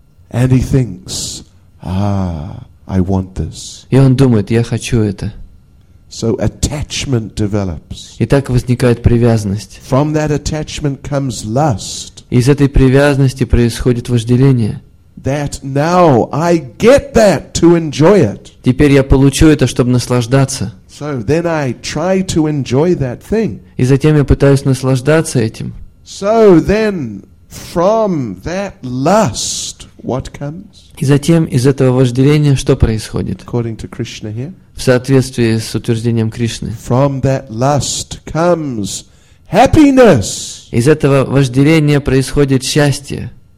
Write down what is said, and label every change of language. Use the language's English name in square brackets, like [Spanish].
[English] And he thinks, ah, I want this. [Russian] И он думает, я хочу это. [English] So attachment develops. [Russian] И так возникает привязанность. [English] From that attachment comes lust. [Russian] Из этой привязанности происходит вожделение. [English] That now I get that to enjoy it. [Russian] Теперь я получу это, чтобы наслаждаться. [English] So then I try to enjoy that thing. [Russian] И затем я пытаюсь наслаждаться этим. [English] So then from that lust, what comes? [Russian] И затем из этого вожделения что происходит? [English] According to Krishna here. [Russian] В соответствии с утверждением Кришны. [English] From that lust comes happiness. [Russian] Из этого вожделения происходит счастье.